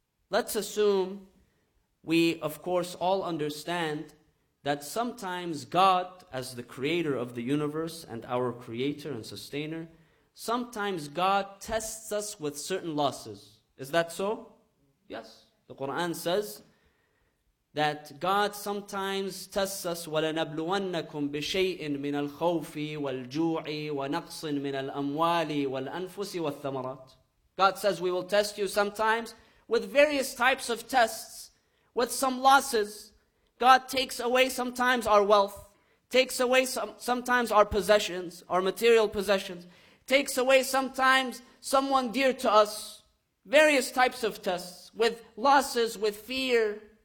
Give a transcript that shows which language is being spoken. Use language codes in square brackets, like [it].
[en] Let's assume we, of course, all understand that sometimes God, as the creator of the universe and our creator and sustainer, sometimes God tests us with certain losses. Is that so? Yes. The Quran says that God sometimes tests us, [ar] وَلَنَبْلُوَنَّكُمْ بِشَيْءٍ مِنَ الْخَوْفِ وَالْجُوعِ وَنَقْصٍ مِنَ الْأَمْوَالِ وَالْأَنفُسِ وَالثَّمَرَاتِ. [en] God says we will test you sometimes with various types of tests. With some losses, God takes away sometimes our wealth, takes away sometimes our possessions, our material possessions, takes away sometimes someone dear to us, various types of tests, with losses, with fear.